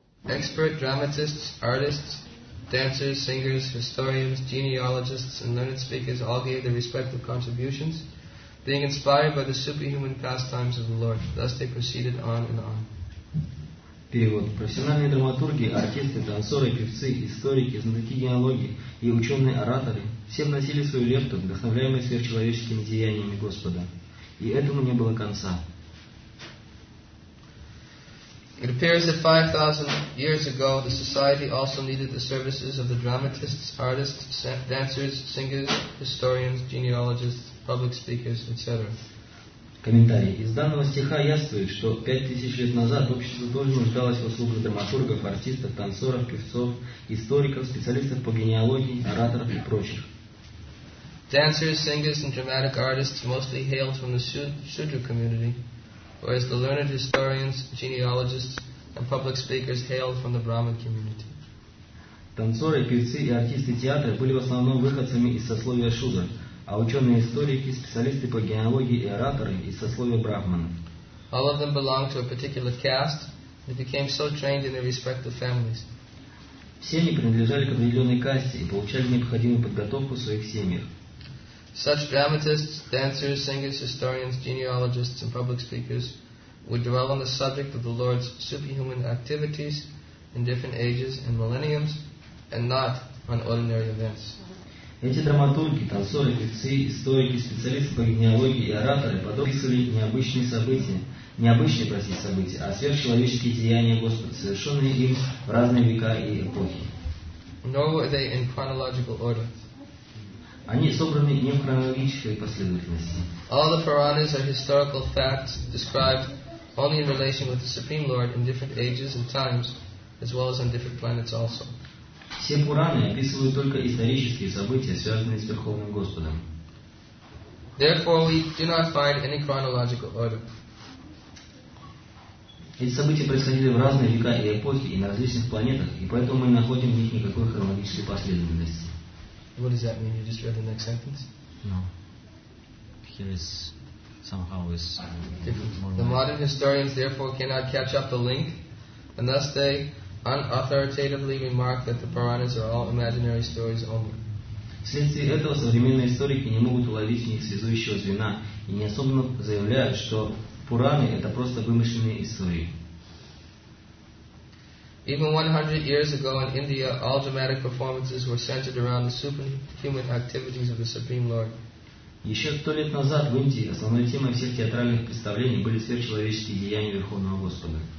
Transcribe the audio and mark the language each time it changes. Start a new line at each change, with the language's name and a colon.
English: expert dramatists, artists, dancers, singers, historians, genealogists, and learned speakers all gave their respective contributions, being inspired by the superhuman pastimes of the Lord. Thus they proceeded on and on.
Russian: Перевод. Профессиональные драматурги, артисты, танцоры, певцы, историки, знатоки генеалогии и ученые-ораторы все вносили свою лепту, вдохновляемые сверхчеловеческими деяниями Господа. И этому не было конца.
English: It appears that 5,000 years ago the society also needed the services of the dramatists, artists, dancers, singers, historians, genealogists, public speakers, etc.
Russian: Комментарий. Из данного стиха яствует, что 5000 лет назад общество тоже нуждалось в услугах драматургов, артистов, танцоров, певцов, историков, специалистов по генеалогии, ораторов и прочих.
English: Dancers, singers and dramatic artists mostly hailed from the Shudra community, whereas the learned historians, genealogists and public speakers hailed from the Brahmin community.
Russian: Танцоры, певцы и артисты театра были в основном выходцами из сословия Шудра, а ученые историки, специалисты по генеалогии и ораторы из сословия Брахмана.
English: All of them belonged to a particular caste and became so trained in their respective families.
Russian: Все они принадлежали к определенной касте и получали необходимую подготовку в своих семьях.
English: Such dramatists, dancers, singers, historians, genealogists, and public speakers would dwell on the subject of the Lord's superhuman activities in different ages and millenniums, and not on ordinary events.
Russian: Эти драматурги, танцоры, певцы, историки, специалисты по генеалогии и ораторы подписывали необычные события, необычные, простите, события, а сверхчеловеческие деяния Господа, совершенные им в разные века и эпохи.
English: Nor were they in chronological order.
Russian: Они собраны не в хронологической последовательности.
English: All the Puranas are historical facts described only in relation with the Supreme Lord in different ages and times, as well as on different planets also.
Russian: Все Пураны описывают только исторические события, связанные с Верховным Господом.
English: Therefore, we do not find any chronological order.
Russian: Эти события происходили в разные века и эпохи и на различных планетах, и поэтому мы не находим в них никакой хронологической последовательности.
English: What does that mean? You just read the next sentence? No. Here is somehow is different. The modern historians therefore cannot catch up the link, and thus they unauthoritatively remark that the Puranas are all imaginary stories only.
Russian: Вследствие этого современные историки не могут уловить в них связующего звена и не особенно заявляют, что Пураны это просто вымышленные истории.
English: Even 100 years ago in India, all dramatic performances were centered around the superhuman activities of the Supreme Lord.
Russian: Еще 100 лет назад в Индии основной темой всех театральных представлений были сверхчеловеческие деяния Верховного Господа.